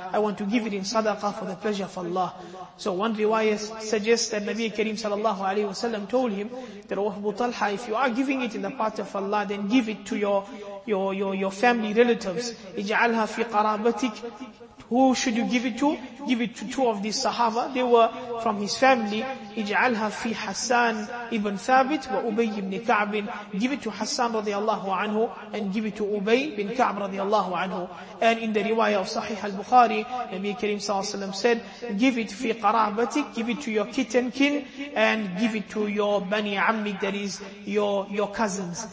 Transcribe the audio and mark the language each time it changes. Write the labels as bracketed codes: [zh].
[en] I want to give it in sadaqah for the pleasure of Allah. So one riwayah suggests that Nabi Kareem sallallahu alayhi wa sallam told him that, oh Abu Talha, if you are giving it in the path of Allah, then give it to your family relatives. [ar] اجعلها في قرابتك. [en] Who should you give it to? Give it to two of these Sahaba. They were from his family. [ar] اجعلها في حسان ابن ثابت وأبي بن كعب. [en] Give it to Hassan رضي الله عنه and give it to Ubay bin Ka'b رضي الله عنه. And in the riwayah of Sahih al-Bukhari, Nabi Kareem sallallahu alayhi wa sallam said, give it [ar] في قرابتك, [en] give it to your kitten kin and give it to your bani ammik, that is your cousins.